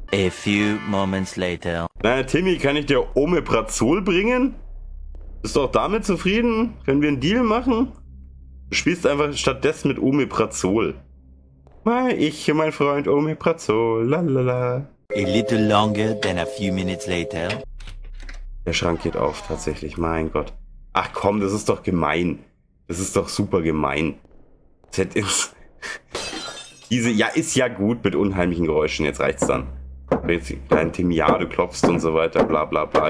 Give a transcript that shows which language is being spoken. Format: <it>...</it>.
<en>A few moments later.</en> <de>Na, Timmy, kann ich dir Omeprazol bringen? Bist du auch damit zufrieden? Können wir einen Deal machen? Du spielst einfach stattdessen mit Omeprazol. Mal ich und mein Freund Omeprazol, lalala.</de> <en>A little longer than a few minutes later.</en> <de>Der Schrank geht auf, tatsächlich, mein Gott. Ach komm, das ist doch gemein. Das ist doch super gemein. Diese, ja, ist ja gut mit unheimlichen Geräuschen, jetzt reicht's dann. Jetzt kleinen Timmy, ja, du klopfst und so weiter, bla bla bla.</de>